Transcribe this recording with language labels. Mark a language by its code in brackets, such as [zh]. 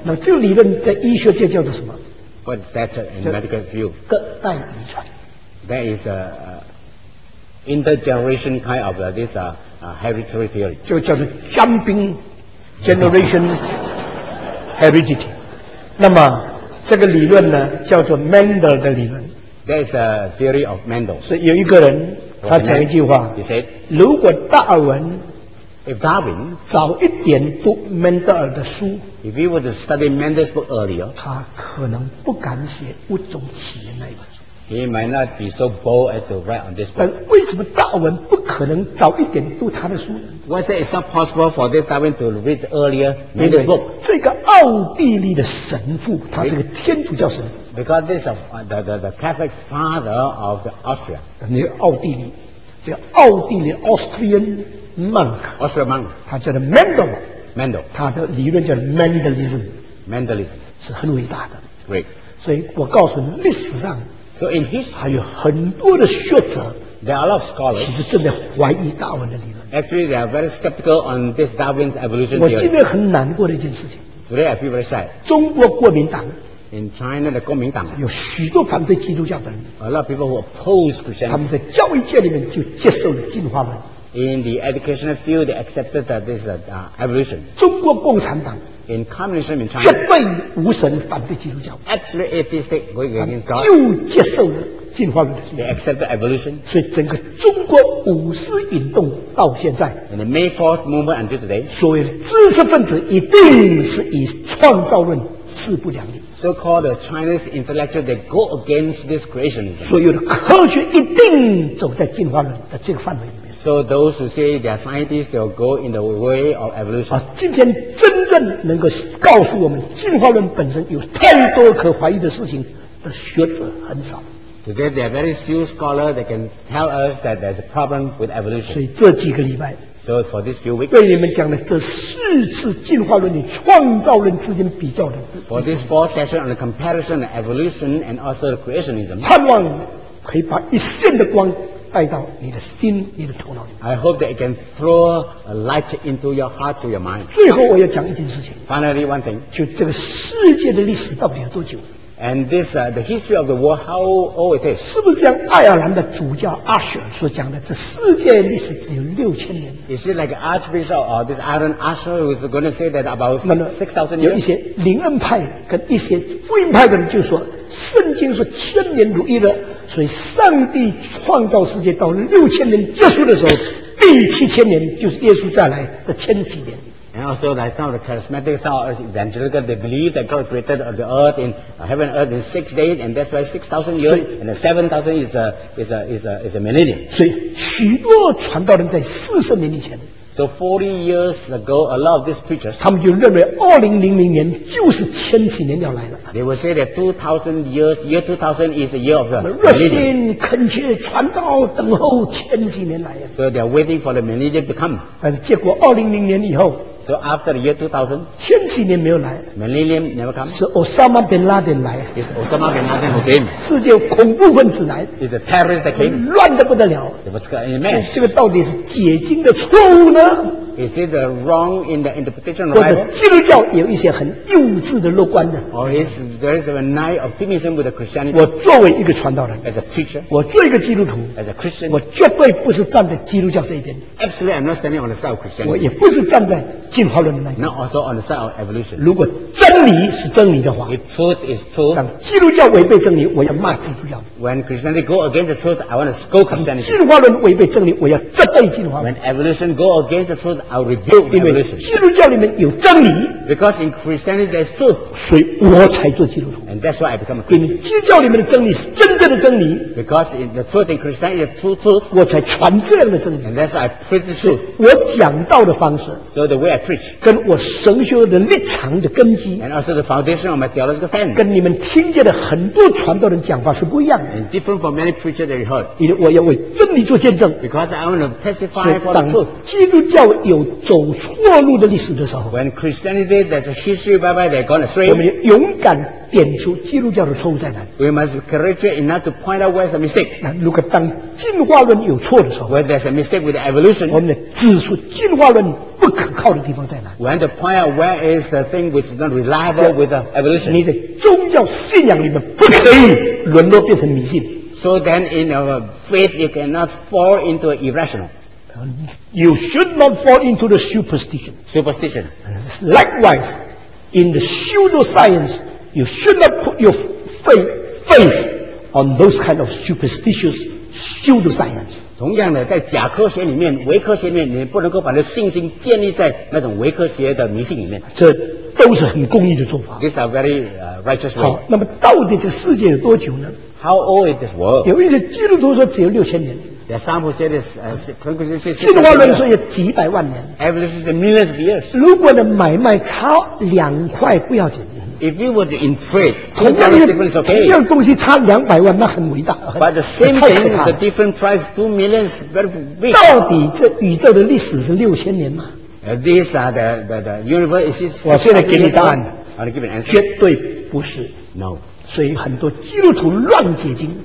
[zh] 那这个理论在医学界叫做什么？ [en] What's that in medical field? [zh] 隔代遗传。 [en] That is a intergeneration kind of this hereditary theory. [zh] 就叫做 [en] jumping generation heredity. [zh] 那么这个理论呢，叫做 Mendel 的理论。 [en] That is a theory of Mendel. [zh] 所以有一个人，他讲一句话。 [en] He said, [zh] 如果达尔文 [en] If Darwin [zh] 早一点读曼德尔的书 [en] ，If he were to study Mendel's book earlier， [zh] 他可能不敢写《物种起源》那一本书。 [en] He might not be so bold as to write on this book。 [zh] 但为什么达尔文不可能早一点读他的书呢 [en] ？Why is it not possible for this Darwin to read earlier Mendel's book？ [zh] 这个奥地利的神父，他是个天主教神父。 [en] Because this is the Catholic father of the Austria。 [zh] 那奥地利，这个奥地利 Austrian。 [en] Monk, also a monk, [zh] 他叫做 Mendel, [en] Mendel, [zh] 他的理论叫 Mendelism, [en] Mendelism [zh] 是很伟大的。 [en] Great, [zh] 所以我告诉你，历史上 [en] ，So in history, [zh] 还有很多的学者 [en] ，There are a lot of scholars, [zh] 其实正在怀疑达尔文的理论。 [en] Actually, they are very skeptical on this Darwin's evolution theory. [zh] 我今天很难过的一件事情。 [en] Today I feel very sad. [zh] 中国国民党 [en] ，In China, the 国民党 [zh] 有许多反对基督教的人。 [en] A lot of people who oppose Christianity. [zh] 他们在教育界里面就接受了进化论。 [en] In the educational field, they accepted that this is evolution. [zh] 中国共产党 [en] in communism in China, [zh] 绝对无神反对基督教 [en] Actually, atheistic going against God. [zh] 又接受了进化论的 [en] They accepted evolution. [zh] 所以整个中国五四运动到现在 [en] In the May 4th movement until today, [zh] 所谓的知识分子一定是以创造论势不两立 [en] So-called the Chinese intellectual, they go against this creationism. [zh] 所有的科学一定走在进化论的这个范围里面 [en] So those who say they are scientists, they'll go in the way of evolution. [zh] 啊，今天真正能够告诉我们进化论本身有太多可怀疑的事情的学者很少。 [en] Today there are very few scholars that can tell us that there's a problem with evolution. [zh] 所以这几个礼拜 [en] ，So for these few weeks, [zh] 对你们讲的这四次进化论与创造论之间比较的，For this four session on the comparison of evolution and also the creationism, 盼望可以把一线的光。带到你的心，你的头脑里面。 [en] I hope that it can throw a light into your heart, to your mind. [zh] 最后，我要讲一件事情。 [en] Finally, one thing. [zh] 就这个世界的历史到底有多久 [en] ？And this, the history of the world, how old it is? [zh] 是不是像爱尔兰的主教阿舍所讲的，这世界历史只有六千年 [en] ？Is it like Archbishop or this Ireland Asher who is going to say that about 6,000 years? [zh] 有一些灵恩派跟一些福音派的人就说，圣经说千年如一日。所以上帝创造世界到六千年结束的时候第七千年就是耶稣再来的千禧年 [en] And also like some of the charismatic evangelical they believe that God created the earth in heaven and earth in 6 days and that's why 6,000 years and 7,000 is a millennium [zh] 所以许多传道人在四十年以前 [en] So 40 years ago a lot of these preachers [zh] 他们就认为2000年就是千禧年要来了 [en] They will say that 2000 years, year 2000 is the year of the millennium. [zh] Resting, 恳切传道等候千禧年来。 [en] So they are waiting for the millennium to come. [zh] 但是结果2000年以后 [en] So after the year 2000, [zh] 千禧年没有来。 [en] Millennium never come. [zh] 是 Osama bin Laden 来。 [en] Is Osama bin Laden who came. [zh] 世界恐怖分子来。 [en] Is the terrorist that came. [zh] 乱得不得了。 [en] It was a mess. [zh] 这个到底是解经的错误呢？ [en] Is it the wrong in the interpretation of the Bible? [zh] 或者基督教有一些很幼稚的乐观的。 [en] Or is there is a night of optimism with the Christianity? [zh] 我作为一个传道人 [en] ，as a preacher， [zh] 我做一个基督徒 [en] ，as a Christian， [zh] 我绝对不是站在基督教这一边。 [en] Absolutely, I'm not standing on the side of Christianity. [zh] 我也不是站在进化论那边。 [en] Not also on the side of evolution. [zh] 如果真理是真理的话 [en] ，if truth is truth， [zh] 当基督教违背真理，我要骂基督教。 [en] When Christianity go against the truth, I want to scold Christianity. [zh] 进化论违背真理，我要责备进化论。 [en] When evolution go against the truth, I'll rebuke the evolution. [zh] 基督教里面有真理 [en] ，because in Christianity there's truth， [zh] 所以我才做基督徒。 [en] And that's why I become a Christian. [zh] 基督教里面的真理是真正的真理 [en] ，because in the truth in Christianity is true truth， [zh] 我才传这样的真理。 [en] And that's why I preach the truth. [zh] 我讲道的方式 [en] ，so the way I preach， [zh] 跟我神学的立场的根基 [en] ，and also the foundation of my theological stand， [zh] 跟你们听见的很多传道人讲话是不一样的。 [en] And different from many preachers that you heard， [zh] 因为我要为真理做见证 [en] ，because I want to testify for the truth。 [zh] 基督教有有走错路的历史的时候 [en] When Christianity, there's a history, bye bye, they're gone astray. [zh] 我们要勇敢点出基督教的错误在哪里 [en] We must be courageous enough to point out where's the mistake. [zh] 那如果当进化论有错的时候 [en] When there's a mistake with evolution, [zh] 我们要指出进化论不可靠的地方在哪里 [en] We have to point out where is the thing which is not reliable with the evolution. [zh] 你在宗教信仰里面不可以沦落变成迷信。 [en] So then in our faith, you cannot fall into irrational. You should not fall into the superstition. Superstition. Likewise, in the pseudoscience, you should not put your faith on those kind of superstitious pseudoscience. [zh] 同样的，在假科学里面，伪科学里面，你不能够把你的信心建立在那种伪科学的迷信里面。这都是很公义的做法。 [en] These are very righteous ways. [zh] 好，那么到底这世界有多久呢？ [en] How old is this world? [zh] 有一些基督徒说只有六千年。 [en] There are some who say this, conclusion. [zh] 进化论说有几百万年。 [en] Evolution is millions of years. [zh] 如果呢买卖差两块不要紧。 [en] If you were to in trade, [zh] 同样的 [en] difference, okay. [zh] 同样东西差两百万，那很伟大。 [en] But the same thing, the different price, two millions, very big. [zh] 到底这宇宙的历史是六千年吗 [en] ？These are the universe is. [zh] 我现在给你答案。 [en] I'll give an answer. [zh] 绝对不是。 [en] No. [zh] 所以很多基督徒乱解经